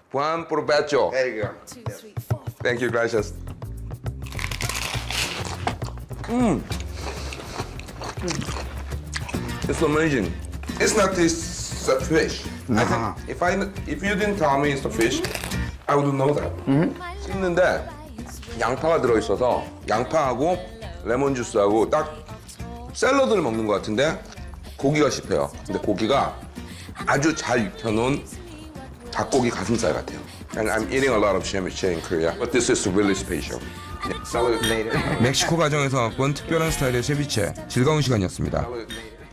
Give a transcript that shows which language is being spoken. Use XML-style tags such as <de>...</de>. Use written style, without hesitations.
<es>Buen provecho.</es> <en>There you go. Two, three, four. Thank you,</en> <es>gracias.</es> <en>Mmm. It's amazing. It's not this fish. Uh-huh. I think if you didn't tell me it's the fish. Mm-hmm. I wouldn't know that.</en> <ko>씻는데 양파가 들어있어서 양파하고 레몬 주스하고 딱 샐러드를 먹는 것 같은데 고기가 씹혀요. 근데 고기가 아주 잘 익혀놓은 닭고기 가슴살 같아요.</ko> <en>And I'm eating a lot of ceviche in Korea, but this is really special.</en> <es>Salud.</es> <ko>멕시코 가정에서 본 특별한 스타일의 세비체. 즐거운 시간이었습니다.</ko>